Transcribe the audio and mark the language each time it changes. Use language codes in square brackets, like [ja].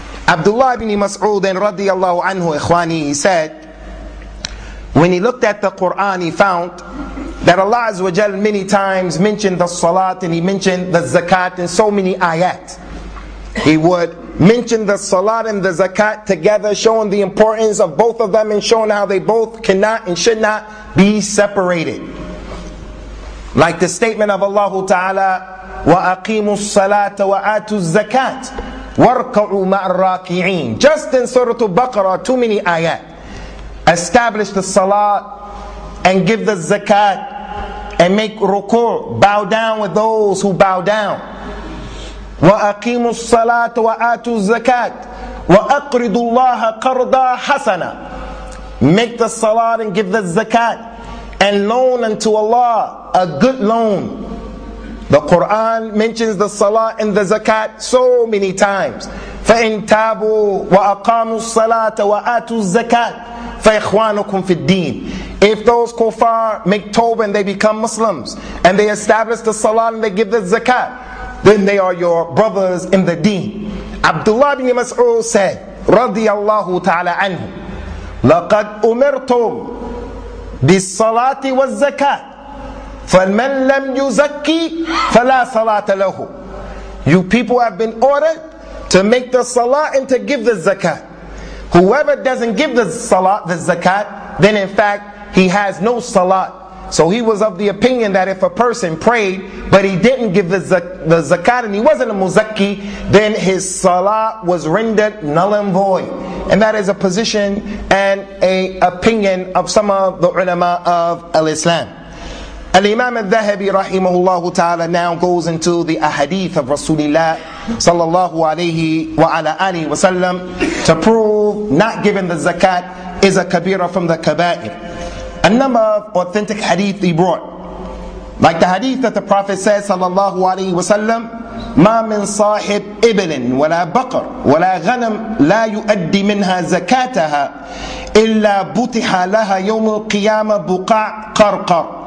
[en] Abdullah ibn Mas'ud and radiyallahu anhu ikhwani, he said, when he looked at the Quran, he found that Allah Azza wa Jal many times mentioned the Salat and he mentioned the Zakat in so many ayat. He would mention the Salat and the Zakat together, showing the importance of both of them and showing how they both cannot and should not be separated. Like the statement of Allah Ta'ala, [ar] وَأَقِيمُوا الصَّلَاةَ وَآتُوا الزَّكَاةَ وَارْكَعُوا مَعَ الرَّاكِعِينَ. [en] Just in Surah Al-Baqarah, too many ayat. Establish the Salat and give the zakat, and make ruku', bow down with those who bow down. [ar] وَأَقِيمُوا الصَّلَاةَ وَآتُوا الزَّكَاةَ وَأَقْرِضُوا اللَّهَ قَرْضًا حَسَنًا. [en] Make the salat and give the zakat, and loan unto Allah a good loan. The Quran mentions the salat and the zakat so many times. [ar] فَإِنْ تَابُوا وَأَقَامُوا الصَّلَاةَ وَآتُوا الزَّكَاةَ فَإِخْوَانُكُمْ فِي الدِّينِ. [en] If those kuffar make tawbah and they become Muslims, and they establish the salat and they give the zakat, then they are your brothers in the deen. Abdullah ibn Mas'ud said, [ar] radiyallahu ta'ala anhu, لَقَدْ أُمِرْتُمْ بِالصَّلَاةِ وَالزَّكَاةِ فَمَنْ لَمْ يُزَكِّي فَلَا صَلَاةَ لَهُ. [en] You people have been ordered to make the salat and to give the zakat. Whoever doesn't give the salat, the zakat, then in fact, he has no salat. So he was of the opinion that if a person prayed, but he didn't give the zakat and he wasn't a muzakki, then his salat was rendered null and void. And that is a position and a opinion of some of the ulama of al-Islam. Al-Imam al-Dhahabi rahimahullahu ta'ala now goes into the ahadith of Rasulullah sallallahu alayhi wa ala alihi wa sallam to prove not giving the zakat is a kabira from the kabair. A number of authentic hadith he brought. Like the hadith that the Prophet says, sallallahu alayhi wa sallam, [ar] مَا مِن صَاحِبْ إِبْلٍ وَلَا بَقَرْ وَلَا غَنَمْ لَا يُؤَدِّ مِنْهَا زَكَاتَهَا إِلَّا بُطِحَ لَهَا يَوْمُ الْقِيَامَةِ بُقَعْ قَرْقَرْ